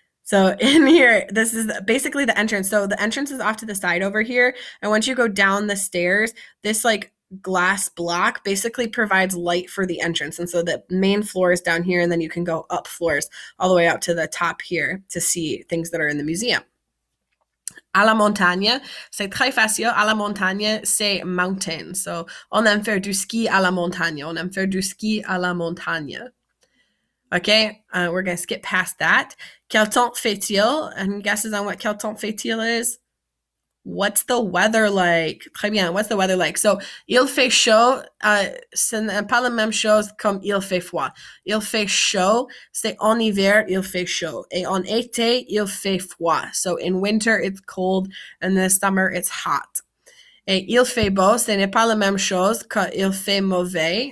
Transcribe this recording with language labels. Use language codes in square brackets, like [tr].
[en] So in here, this is basically the entrance. So the entrance is off to the side over here. And once you go down the stairs, this like glass block basically provides light for the entrance. And so the main floor is down here, and then you can go up floors all the way out to the top here to see things that are in the museum. [fr] À la montagne, c'est très facile. À la montagne, c'est mountain. So on aime faire du ski à la montagne. On aime faire du ski à la montagne. [en] Okay, we're gonna skip past that. [fr] Quel temps fait-il? [en] Any guesses on what [fr] quel temps fait-il [en] is? What's the weather like? [fr] Très bien, [en] what's the weather like? [fr] So il fait chaud, ce n'est pas la même chose comme il fait froid. Il fait chaud, c'est en hiver, il fait chaud. Et en été, il fait froid. [en] So in winter, it's cold, and in the summer, it's hot. [fr] Et il fait beau, ce n'est pas la même chose qu'il fait mauvais.